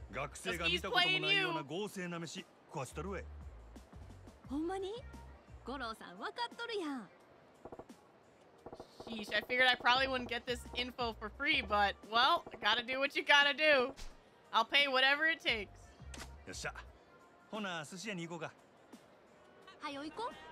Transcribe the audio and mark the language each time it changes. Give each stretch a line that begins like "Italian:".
Japanese: 学生が見たこともないような合成な飯食わしたるわ。ほんまに？五郎さん分かっとるやん。
English: Sheesh, I figured I probably wouldn't get this info for free, but well, gotta do what you gotta do. I'll pay whatever it takes.
Japanese: よっしゃ。ほな、寿司屋に行こうか。はよ行こう。